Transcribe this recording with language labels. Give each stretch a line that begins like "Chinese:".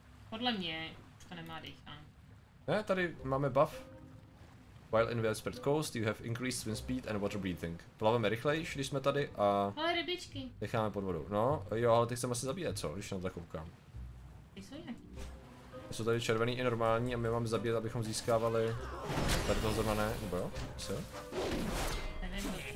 Czech: Podle mě už to nemá dýchat. Ne, tady máme buff.
English: While in the expert coast, you have increased swim speed and water breathing.
Czech: Plaveme rychlejš, když jsme tady a... Ale rybičky. Necháme pod vodou. No, jo, ale ty chceme asi zabíjet, co? Když na to koukám. Ty jsou nějaký. Jsou tady červený i normální a my máme zabíjet, abychom získávali... Tady to zrovna ne, nebo jo? Co? Nevím,